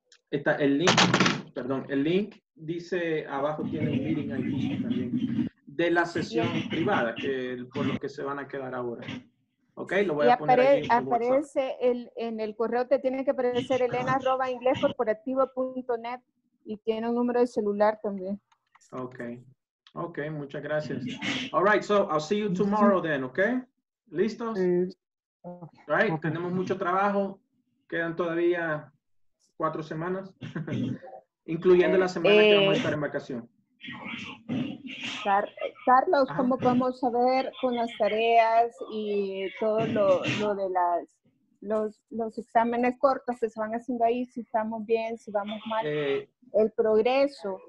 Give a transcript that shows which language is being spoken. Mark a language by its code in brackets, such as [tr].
[es] Está el link, perdón, el link dice abajo, tiene un meeting ahí también. De la sesión privada, por lo que se van a quedar ahora. Ok, lo voy a poner ahí. Aparece en el correo, te tiene que aparecer elena@inglescorporativo.net y tiene un número de celular también. Ok, ok, muchas gracias. [en] All right, so I'll see you tomorrow then, ok? ¿Listos? All right, okay. [es] Tenemos mucho trabajo, quedan todavía 4 semanas, incluyendo la semana que vamos a estar en vacación. Carlos, ¿cómo podemos saber con las tareas y todo lo de los exámenes cortos que se van haciendo ahí, si estamos bien, si vamos mal, el progreso?